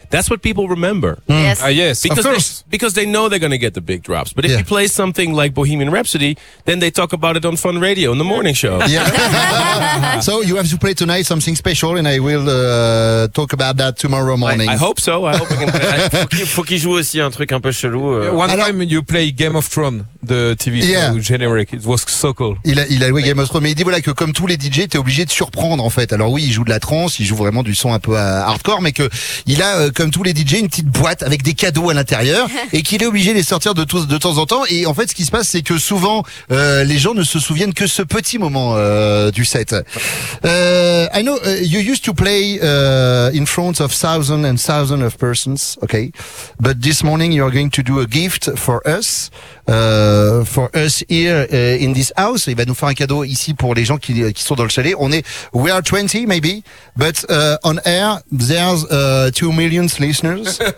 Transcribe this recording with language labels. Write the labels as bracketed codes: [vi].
[en] That's what people remember. Yes. Because of course. Because they know they're going to get the big drops. But if you play something like Bohemian Rhapsody, then they talk about it on Fun Radio in the morning show. Yeah. So you have to play tonight something special and I will talk about that tomorrow morning. I hope so. I hope we can play. [fr] Faut qu'il joue aussi un truc un peu chelou. [en] One time you play Game of Thrones, the TV show, generic. It was so cool. [fr] Il a joué Game of Thrones, mais il dit voilà que comme tous les DJ, t'es obligé de surprendre en fait. Alors oui, il joue de la trance, il joue vraiment du son un peu à hardcore, mais que il a comme tous les DJ une petite boîte avec des cadeaux à l'intérieur et qu'il est obligé de les sortir de temps en temps. Et en fait, ce qui se passe, c'est que souvent les gens ne se souviennent que ce petit moment du set. [en] I know you used to play in front of thousands and thousands of persons, okay? But this morning, you are going to do a gift for us here in this house. [fr] Il va nous faire un cadeau ici pour les gens qui sont dans le chalet. [en] We are 20 maybe, but on air there's 2 million listeners.